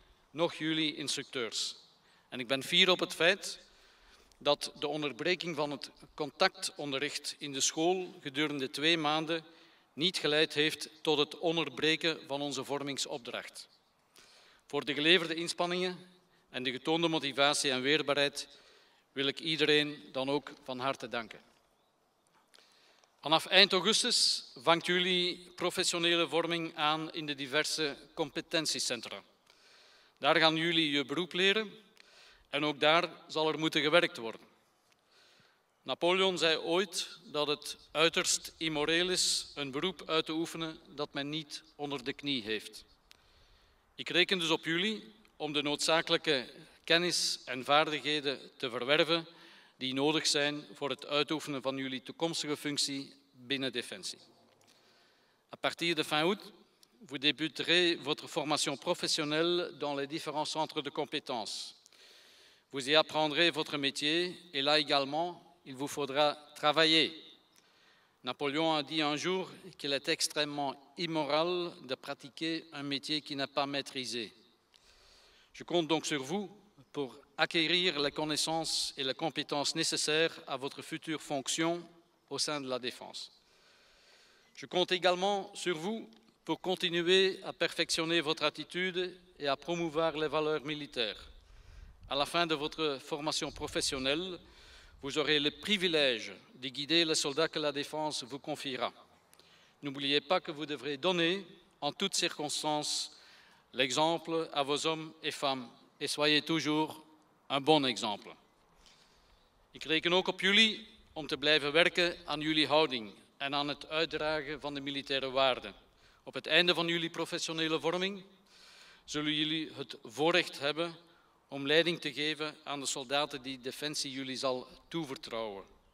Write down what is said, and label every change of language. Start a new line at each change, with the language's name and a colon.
Dutch: Nog jullie instructeurs. En ik ben fier op het feit dat de onderbreking van het contactonderricht in de school gedurende twee maanden niet geleid heeft tot het onderbreken van onze vormingsopdracht. Voor de geleverde inspanningen en de getoonde motivatie en weerbaarheid wil ik iedereen dan ook van harte danken. Vanaf eind augustus vangt jullie professionele vorming aan in de diverse competentiecentra. Daar gaan jullie je beroep leren en ook daar zal er moeten gewerkt worden. Napoleon zei ooit dat het uiterst immoreel is een beroep uit te oefenen dat men niet onder de knie heeft. Ik reken dus op jullie om de noodzakelijke kennis en vaardigheden te verwerven die nodig zijn voor het uitoefenen van jullie toekomstige functie binnen Defensie.
French: À partir de fin août, vous débuterez votre formation professionnelle dans les différents centres de compétences. Vous y apprendrez votre métier et là également, il vous faudra travailler. Napoléon a dit un jour qu'il est extrêmement immoral de pratiquer un métier qui n'est pas maîtrisé. Je compte donc sur vous pour acquérir les connaissances et les compétences nécessaires à votre future fonction au sein de la Défense. Je compte également sur vous pour continuer à perfectionner votre attitude et à promouvoir les valeurs militaires. À la fin de votre formation professionnelle, vous aurez le privilège de guider les soldats que la Défense vous confiera. N'oubliez pas que vous devrez donner, en toutes circonstances, l'exemple à vos hommes et femmes et soyez toujours un bon exemple.
Dutch: Ik reken ook op jullie om te blijven werken aan jullie houding en aan het uitdragen van de militaire waarden. Op het einde van jullie professionele vorming zullen jullie het voorrecht hebben om leiding te geven aan de soldaten die Defensie jullie zal toevertrouwen.